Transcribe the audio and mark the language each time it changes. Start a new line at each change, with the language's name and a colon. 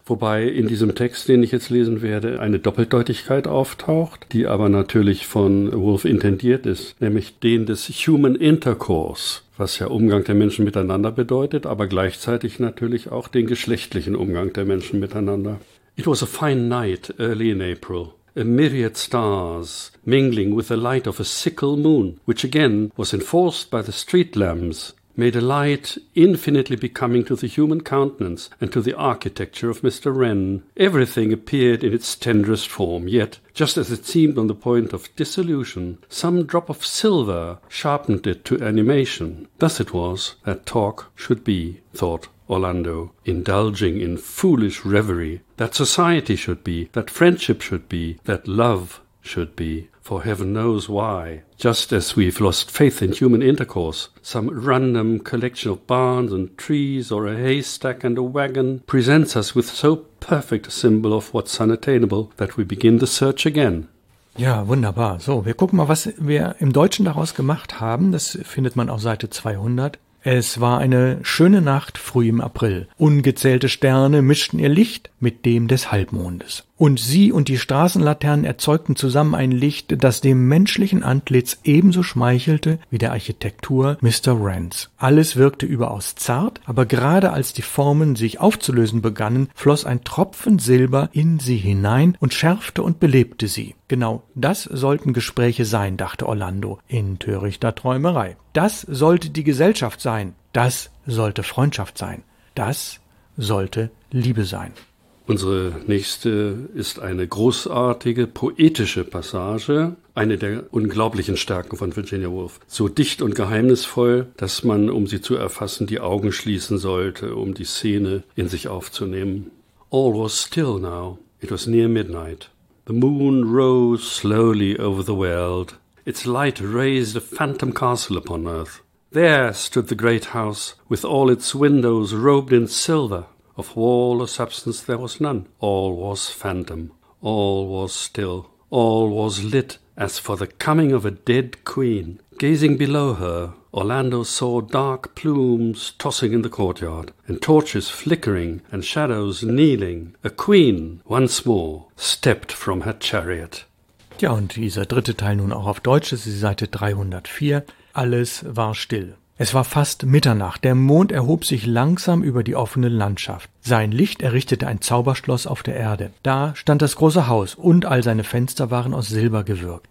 German: Wobei in diesem Text, den ich jetzt lesen werde, eine Doppeldeutigkeit auftaucht, die aber natürlich von Woolf intendiert ist, nämlich den des Human Intercourse, was ja Umgang der Menschen miteinander bedeutet, aber gleichzeitig natürlich auch den geschlechtlichen Umgang der Menschen miteinander.
English: It was a fine night early in April. A myriad stars mingling with the light of a sickle moon, which again was enforced by the street lamps, made a light infinitely becoming to the human countenance and to the architecture of Mr. Wren. Everything appeared in its tenderest form, yet, just as it seemed on the point of dissolution, some drop of silver sharpened it to animation. Thus it was that talk should be, thought Orlando, indulging in foolish reverie, that society should be, that friendship should be, that love should be. For heaven knows why, just as we've lost faith in human intercourse, some random collection of barns and trees or a haystack and a wagon presents us with so perfect a symbol of what's unattainable that we begin the search again.
German: Ja, wunderbar. So, wir gucken mal, was wir im Deutschen daraus gemacht haben. Das findet man auf Seite 200. Es war eine schöne Nacht früh im April. Ungezählte Sterne mischten ihr Licht mit dem des Halbmondes. Und sie und die Straßenlaternen erzeugten zusammen ein Licht, das dem menschlichen Antlitz ebenso schmeichelte wie der Architektur Mr. Wrens. Alles wirkte überaus zart, aber gerade als die Formen sich aufzulösen begannen, floss ein Tropfen Silber in sie hinein und schärfte und belebte sie. Genau das sollten Gespräche sein, dachte Orlando in törichter Träumerei. Das sollte die Gesellschaft sein. Das sollte Freundschaft sein. Das sollte Liebe sein. Unsere nächste ist eine großartige, poetische Passage, eine der unglaublichen Stärken von Virginia Woolf. So dicht und geheimnisvoll, dass man, um sie zu erfassen, die Augen schließen sollte, um die Szene in sich aufzunehmen.
English: All was still now. It was near midnight. The moon rose slowly over the world. Its light raised a phantom castle upon earth. There stood the great house, with all its windows robed in silver. Of wall or substance there was none. All was phantom. All was still. All was lit as for the coming of a dead queen. Gazing below her, Orlando saw dark plumes tossing in the courtyard, and torches flickering, and shadows kneeling. A queen, once more, stepped from her chariot.
German: Ja, und dieser dritte Teil nun auch auf Deutsch, das ist Seite 304. Alles war still. Es war fast Mitternacht, der Mond erhob sich langsam über die offene Landschaft. Sein Licht errichtete ein Zauberschloss auf der Erde. Da stand das große Haus und all seine Fenster waren aus Silber gewirkt.